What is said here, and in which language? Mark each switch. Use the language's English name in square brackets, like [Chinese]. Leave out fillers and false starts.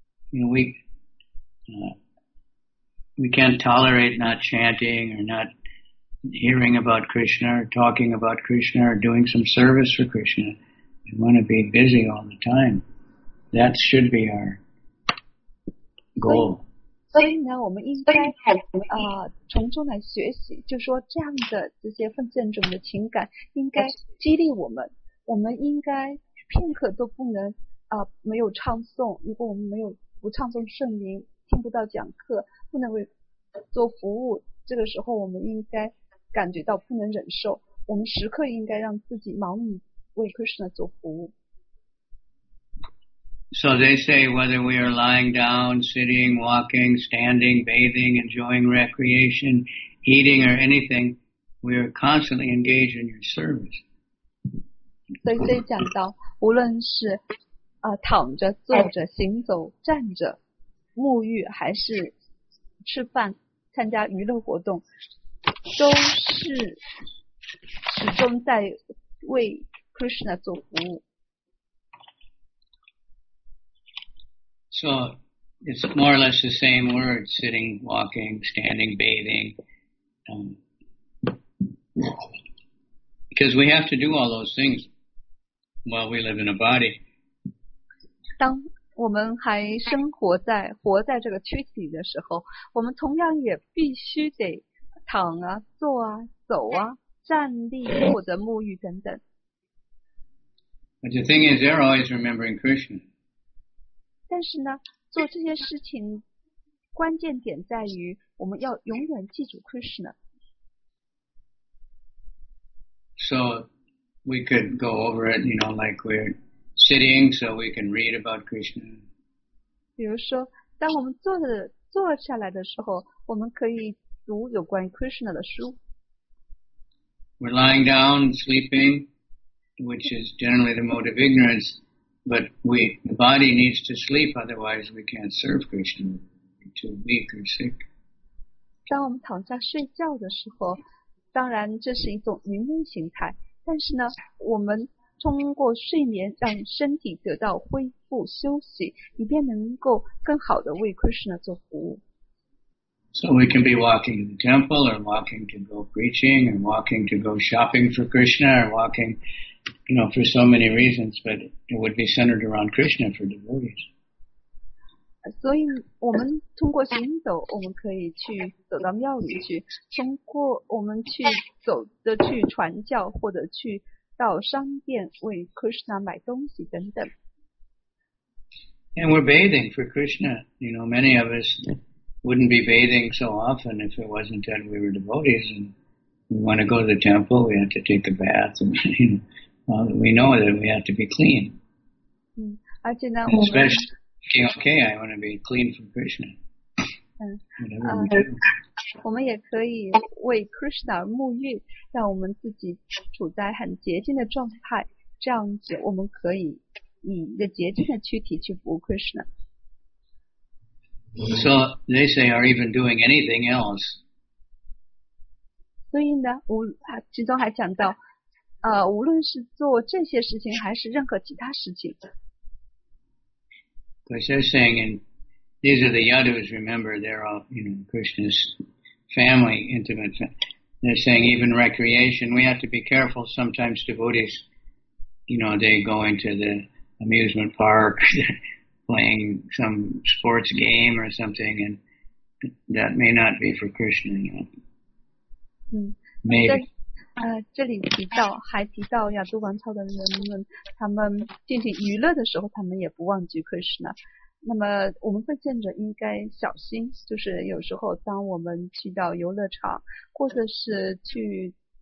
[English] You know, we can't tolerate not chanting or not hearing about Krishna or talking about Krishna or doing some service for Krishna. We want to be busy all the time. That should be our goal. [Chinese] 所以呢，我们应该从中来学习，就说这样的这些奉献者的情感应该激励我们。我们应该片刻都不能没有唱诵。如果我们没有不唱诵圣名，听不到讲课，不能为做服务，这个时候我们应该感觉到不能忍受。我们时刻应该让自己忙于为 Krishna 做服务。 [English] So they say whether we are lying down, sitting, walking, standing, bathing, enjoying recreation, eating or anything, we are constantly engaged in your service. [Chinese] 所以这里讲到，无论是躺着、坐着、行走、站着、沐浴还是吃饭、参加娱乐活动，都是始终在为 Krishna 做服务。 [English] So it's more or less the same word, sitting, walking, standing, bathing. Because we have to do all those things while we live in a body. [Chinese] 当我们还生活在活在这个躯体的时候，我们同样也必须得躺啊、坐啊、走啊、站立或者沐浴等等。 [English] But the thing is, they're always remembering Krishna. [Chinese] 但是呢，做这些事情关键点在于我们要永远记住 Krishna。 [English] So we could go over it, you know, like we're sitting so we can read about Krishna. [Chinese] 比如说当我们坐下来的时候，我们可以读有关于 Krishna 的书。 [English] We're lying down sleeping, which is generally the mode of ignoreanceBut the body needs to sleep, otherwise we can't serve Krishna. We're too weak or sick. [Chinese] 当我们躺下睡觉的时候，当然这是一种愚昧形态。但是呢，我们通过睡眠让身体得到恢复休息，以便能够更好的为 Krishna 做服务。 [English] So we can be walking to the temple, or walking to go preaching, or walking to go shopping for Krishna, or walking... You know, for so many reasons, but it would be centered around Krishna for devotees. [Chinese] 所以我们通过行走，我们可以去走到庙里去，通过我们去走的去传教，或者去到商店为 Krishna 买东西等等。 [English] And we're bathing for Krishna. You know, many of us wouldn't be bathing so often if it wasn't that we were devotees. And we want to go to the temple, we have to take a bath and, you know,we know that we have to be clean. [Chinese] 而且呢 [English] especially, okay, I want to be clean from Krishna. [Chinese] 我们也可以为 Krishna 沐浴，让我们自己处在很洁净的状态，这样子我们可以以一个洁净的躯体去服务 Krishna. [English] So they say, are even doing anything else? [Chinese] 所以呢，我其中还讲到无论是做这些事情还是任何其他事情。 [English] Because they're saying, and these are the Yadus, remember, they're all, you know, Krishna's family, intimate family. They're saying even recreation, we have to be careful. Sometimes devotees, you know, they go into the amusement park playing some sports game or something, and that may not be for Krishna, you know. Maybe. [Chinese] 这里提到还提到亚都王朝的人们，他们进行娱乐的时候，他们也不忘记 Krishna。那么我们奉献者应该小心，就是有时候当我们去到游乐场，或者是去